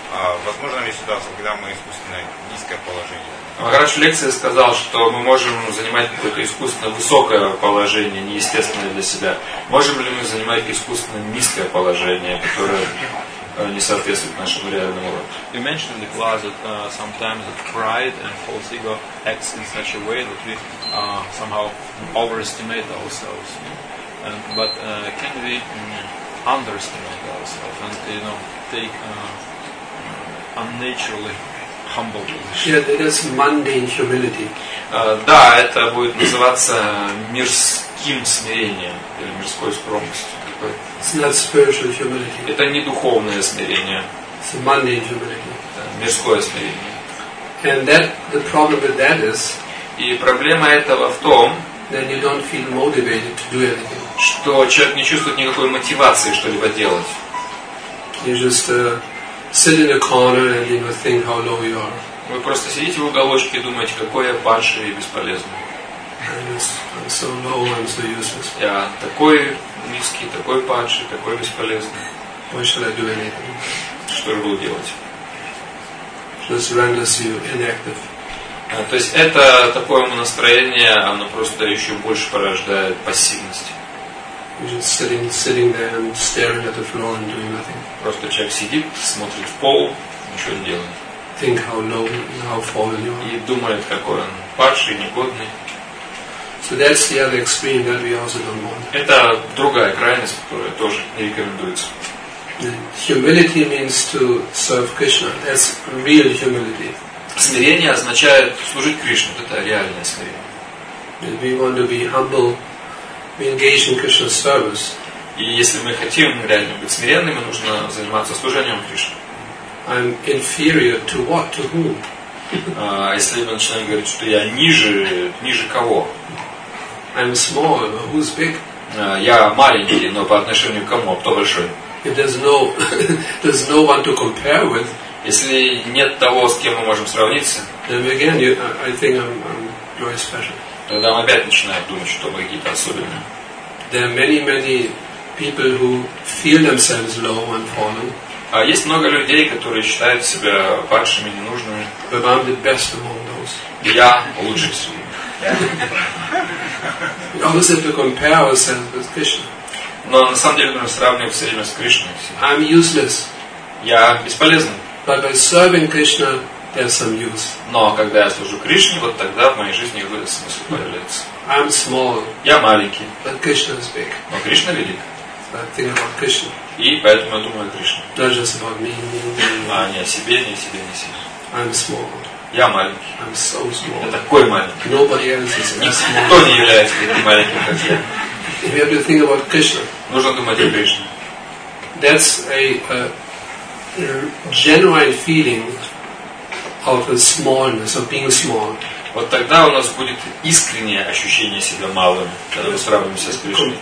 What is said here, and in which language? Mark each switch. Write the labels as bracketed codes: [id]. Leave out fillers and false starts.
[ru] А возможно ли ситуация, когда мы искусственно низкое положение? Махарадж в лекции сказал, что мы можем занимать какое-то искусственно высокое положение, неестественное для себя. Можем ли мы занимать искусственно низкое положение, которое не соответствует нашему реальному уровню? [en] You mentioned in the class that sometimes that pride and false ego acts in such a way that we somehow overestimate ourselves. And, but can we underestimate ourselves? And, you know, unnaturally humble position. Yeah, that is mundane humility. [ru] Да, это будет называться мирским смирением или мирской скромностью. [en] It's not spiritual humility. [ru] Это не духовное смирение. [en] It's mundane humility. [ru] Это мирское смирение. [en] And that the problem with that is. [ru] И проблема этого в том. [en] That you don't feel motivated to do anything. [ru] Что человек не чувствует никакой мотивации что-либо делать. [en] You just sit in a corner and, you know, think how low you are. [ru] Вы просто сидите в уголочке и думаете, какой я падший и бесполезный. [en] I'm so low and so useless. [ru] Я такой низкий, такой падший, такой бесполезный. [en] Why should I do anything? [ru] Что же буду делать? [en] Just renders you inactive. [ru] То есть это такое настроение, оно просто еще больше порождает пассивность. [en] You're just sitting there and staring at the floor and doing nothing. [ru] Просто человек сидит, смотрит в пол, ничего не делает. [en] Think how low and how fallen you are. [ru] И думает, какой он падший, негодный. [en] So that's the other extreme that we also don't want. [ru] Это другая крайность, которая тоже не рекомендуется. [en] Humility means to serve Krishna. That's real humility. [ru] Смирение означает служить Кришне. Это реальное смирение. [en] And we want to be humble. We engage in Krishna's service. [ru] И если мы хотим реально быть смиренными, нужно заниматься служением Кришне. [en] I'm inferior to what? To whom? [ru] Если мы начинаем говорить, что я ниже кого? [en] I'm small, but who's big? [ru] Я маленький, но по отношению к кому? Кто большой? [en] If there's no one to compare with. [ru] Если нет того, с кем мы можем сравниться. [en] Then again, I think I'm very special. [ru] Тогда мы опять начинаем думать, что мы какие-то особенные. [en] There are many, many people who feel themselves low and fallen. [ru] А есть много людей, которые считают себя падшими, ненужными. [en] But I'm the best among those. [ru] Я лучший всего. [en] We always have to compare ourselves with Krishna. [ru] Но на самом деле нужно сравнивать все время с Кришной. [en] I'm useless. [ru] Я бесполезный. [en] But by serving Krishna, there's some use. [ru] Но когда я служу Кришне, вот тогда в моей жизни его смысл появляется. [en] I'm small. [ru] Я маленький. [en] But Krishna is big. [ru] Но Кришна велик. [en] I think about Krishna. [ru] И поэтому я думаю о Кришне. [en] Not just about me, me, me. [ru] А не о себе, не о себе, не о себе. [en] I'm small. [ru] Я маленький. [en] I'm so small. [ru] Я такой маленький. [en] Nobody else is as small. [ru] Никто не является таким маленьким, как я. [en] If you have to think about Krishna. [ru] Нужно думать о Кришне. [en] That's a genuine feeling of the smallness, of being small. [ru] Вот тогда у нас будет искреннее ощущение себя малым, когда мы сравниваемся с Кришной.